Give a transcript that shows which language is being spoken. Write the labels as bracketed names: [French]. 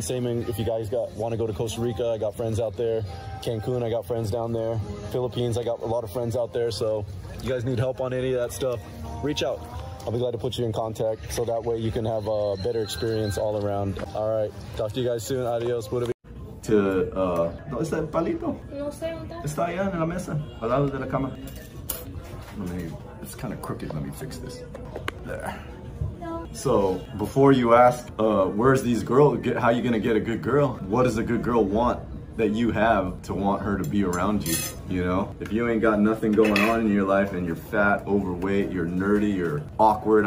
[English] Same if you guys want to go to Costa Rica, I got friends out there. Cancun, I got friends down there. Philippines, I got a lot of friends out there. So if you guys need help on any of that stuff, reach out. I'll be glad to put you in contact so that way you can have a better experience all around. All right, talk to you guys soon. [Spanish] Adios. To, ¿dónde está el palito? No sé, ¿dónde está? Está allá en la mesa, al lado de la cama. [English] It's kind of crooked, let me fix this. There. No. So, before you ask, where's these girls, how are you gonna get a good girl? What does a good girl want that you have to want her to be around you, you know? If you ain't got nothing going on in your life and you're fat, overweight, you're nerdy, you're awkward.